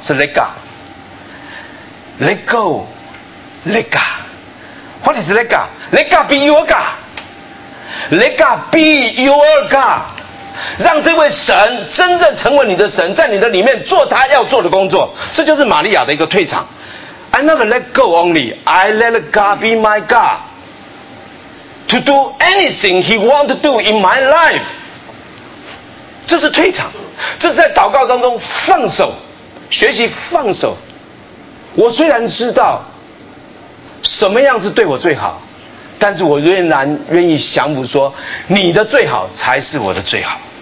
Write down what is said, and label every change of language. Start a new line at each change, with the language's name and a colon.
English: 是 let God。Let go, let God. What is let God? Let God be your God. Let God be your God.
Chinese: 让这位神真正成为你的神，在你的里面做他要做的工作。这就是玛利亚的一个退场。
English: I never let go only. I let God be my God. To do anything he want to do in my life.
Chinese: 这是退场。这是在祷告当中放手，学习放手。我虽然知道什么样是对我最好，但是我仍然愿意降服，说你的最好才是我的最好。